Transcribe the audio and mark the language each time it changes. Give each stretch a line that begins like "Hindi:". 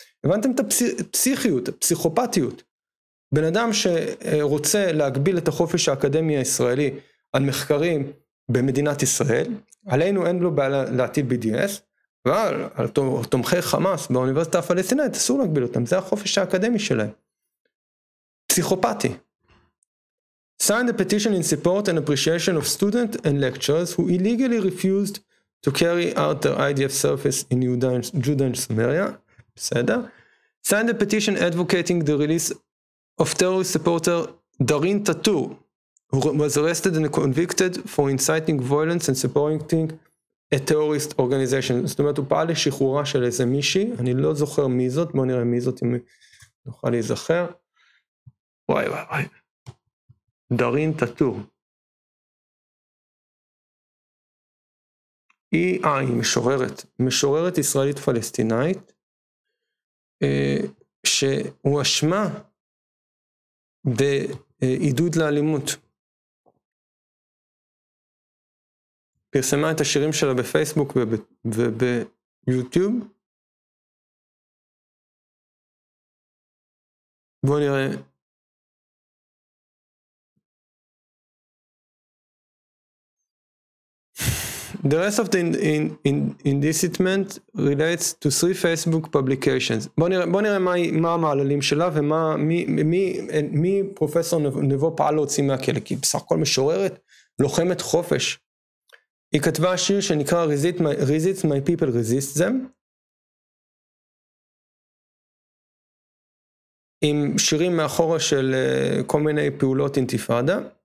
Hebrew: הבנתם את הפסיכיות, הפסיכופתיות. בן אדם שרוצה להגביל את החופש האקדמי הישראלי על מחקרים במדינת ישראל, עלינו אין לו בעיה להטיל BDS, ועל תומכי חמאס באוניברסיטה הפלסטינית, אסור להגביל אותם, זה החופש האקדמי שלהם. פסיכופתי.
English: Signed a petition in support and appreciation of students and lecturers who illegally refused to carry out their IDF service in Judah and Samaria. בסדר. Signed a petition advocating the release of terrorist supporter Darin Tatur, who was arrested and convicted for inciting violence and supporting a terrorist organization.
Hebrew: זאת אומרת, הוא פעל לשחרורה של איזה מישהי, אני לא זוכר מי זאת, בוא נראה מי זאת, אם נוכל להיזכר. וואי וואי וואי. דארין טאטור. היא משוררת, משוררת ישראלית פלסטינאית, שהוא אשמה בעידוד לאלימות. פרסמה את השירים שלה בפייסבוק וביוטיוב. בואו נראה.
English: The rest of the indictment relates to three Facebook publications.
Hebrew: בואו נראה מה המעללים שלה ומי פרופסור נבו פעל להוציא מהכלא, כי בסך הכל משוררת, לוחמת חופש. היא כתבה שיר שנקרא Resist My People Resist Them, עם שירים מאחורה של כל מיני פעולות אינטיפאדה.